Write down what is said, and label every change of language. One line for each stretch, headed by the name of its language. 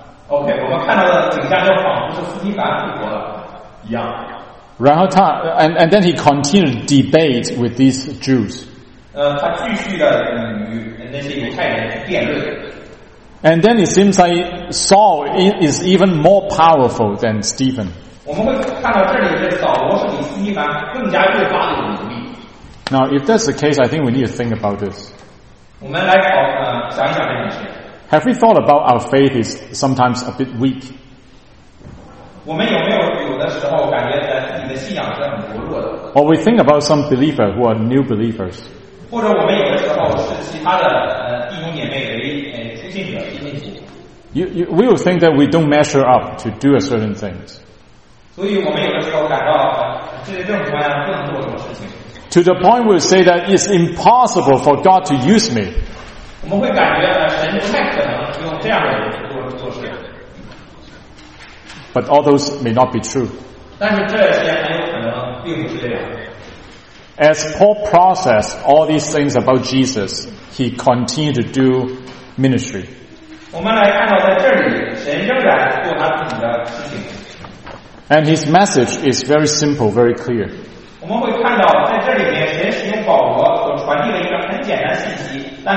Chinese: OK 我们看到的景象就仿佛是斯蒂凡复活了一样，然后他
English: and then he continued debate with these Jews,
Chinese: 他继续的与那些犹太人辩论。
English: And then it seems like Saul is even more powerful than Stephen.
Chinese: 我们会看到这里的扫罗是比斯蒂凡更加越发的有力。
English: Now if that's the case, I think we need to think about this.
Chinese: 我们来想一想这件事。
English: Have we thought about our faith is sometimes a bit weak?
Chinese: 我们有没有有的时候感觉自己的信仰是很薄弱的？
English: Or we think about some believer who are new believers.
Chinese: 或者我们有的时候是其他的弟兄姐妹为初信者、新信徒。
English: We will think that we don't measure up to do a certain things.
Chinese: 所以我们有的时候感到这些政府官不能做什么事情。
English: To the point we say that it's impossible for God to use me.
Chinese: 我们会感觉神不太可能用这样的人做事。
English: But all those may not be true.
Chinese: 但是这些很有可能并不是这样。
English: As Paul processed all these things about Jesus, he continued to do ministry.
Chinese: 我们来看到在这里，神仍然做他自己的事情。
English: And his message is very simple, very clear.
Chinese: 我们会看到在这里面，神使用保罗所传递了一个很简单信息。